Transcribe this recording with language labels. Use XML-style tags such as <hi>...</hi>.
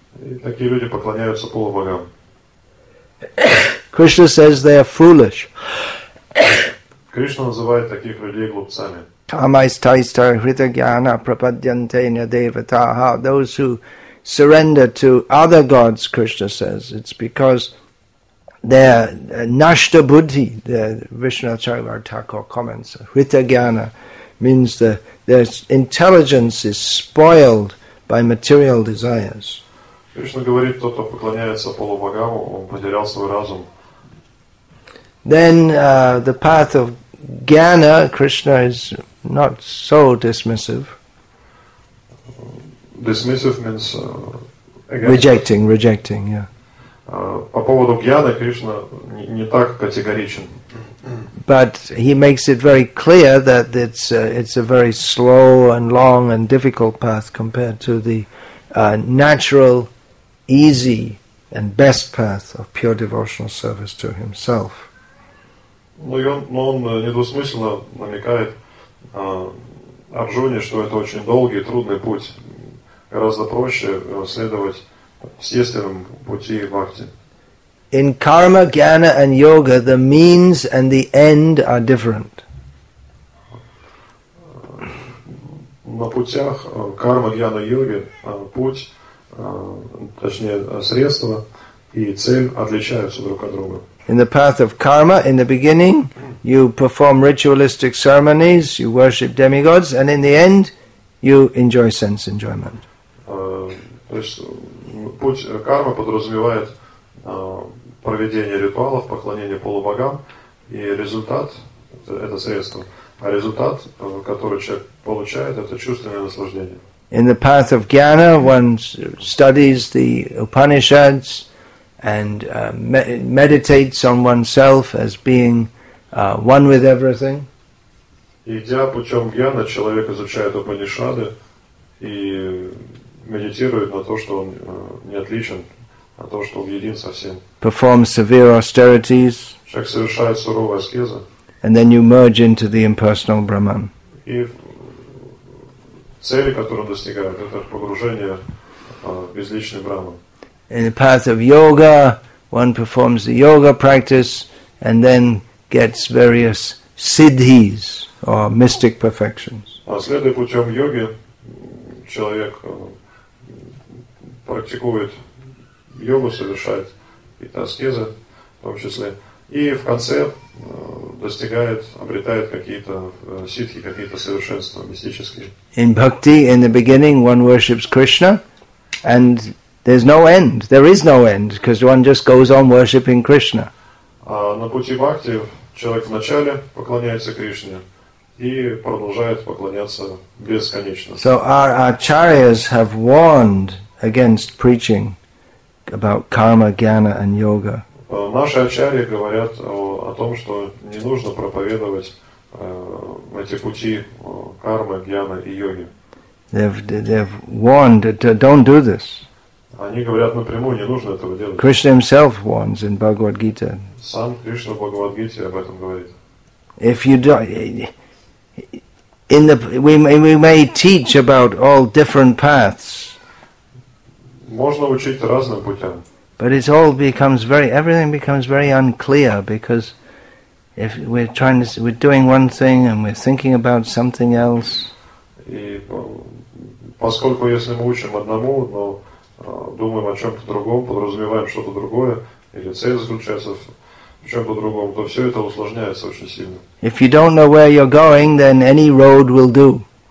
<ru>И такие люди поклоняются полубогам.</ru> <en>Krishna says they are foolish.</en> <ru>Krishna называет таких людей глупцами.</ru> <sa>Tamaistaista hritagyana prapadyantena devataha.</sa> <en>Those who surrender to other gods, Krishna says, it's because their nashta buddhi, the Vishnu Acharyavar Thakur comments, hritagyana means their intelligence is spoiled by material desires.</en> <ru>Krishna говорит, тот, кто поклоняется полубогам, он потерял свой разум.</ru> <en>Then the path of jnana, Krishna is not so dismissive. Dismissive means rejecting, yeah.</en> <ru>По поводу jnana Krishna не так категоричен.</ru> <en>But he makes it very clear that it's a very slow and long and difficult path compared to the natural, easy and best path of pure devotional service to himself.</en> <ru>Но он недвусмысленно намекает Арджуне, что это очень долгий и трудный путь. Гораздо проще следовать естественным пути и бхакти.</ru> <en>In karma, jnana and yoga, the means and the end are different.</en> <ru>На путях карма, джняна, йоги путь, точнее средства и цель отличаются друг от друга.</ru> <en>In the path of karma, in the beginning, you perform ritualistic ceremonies, you worship demigods, and in the end, you enjoy sense enjoyment.</en> <ru>То есть путь кармы подразумевает проведение ритуалов, поклонение полубогам, и результат – это средство. А результат, который человек получает, это чувственное наслаждение.</ru> <en>In the path of jnana, one studies the Upanishads, and meditates on oneself as being one with everything.</en> <ru>Идя путем джняны, человек изучает Упанишады и медитирует на то, что он не отличен, а то, что он един со всем.</ru> <en>Performs severe austerities.</en> <ru>Человек совершает суровые аскезы.</ru> <en>And then you merge into the impersonal Brahman.</en> <ru>И цели, которые он достигает, это погружение в безличный Брахман.</ru> <en>In the path of yoga, one performs the yoga practice and then gets various siddhis or mystic perfections.</en> <ru>Следуя путем йоги, человек практикует йогу, совершает какие-то аскезы, в том числе, и в конце достигает, обретает какие-то сиддхи, какие-то совершенства мистические.</ru> <en>In bhakti, in the beginning, one worships Krishna and there's no end. There is no end because one just goes on worshipping Krishna.</en> <ru>На пути бхакти человек вначале поклоняется Кришне и продолжает поклоняться бесконечно.</ru> <en>So our acharyas have warned against preaching about karma, jnana and yoga.</en> <ru>Наши ачарьи говорят о том, что не нужно проповедовать эти пути кармы, джняны и йоги.</ru> <en>They've warned that don't do this.</en> <ru>Они говорят напрямую, не нужно этого делать.</ru> <en>Krishna himself warns in Bhagavad Gita.</en> <ru>Сам Кришна в Бхагавад Гите об этом говорит.</ru> <en>If you don't, we may teach about all different paths.</en> <ru>Можно учить разным путем.</ru> <en>But it all becomes very, everything becomes very unclear, because if we're trying to, we're doing one thing and we're thinking about something else.</en> <ru>И поскольку если мы учим одному, но думаем о чем-то другом, подразумеваем что-то другое, или цель заключается в чем-то другом, то все это усложняется очень сильно.</ru> <en>If you don't know where you're going, then any road will do.</en>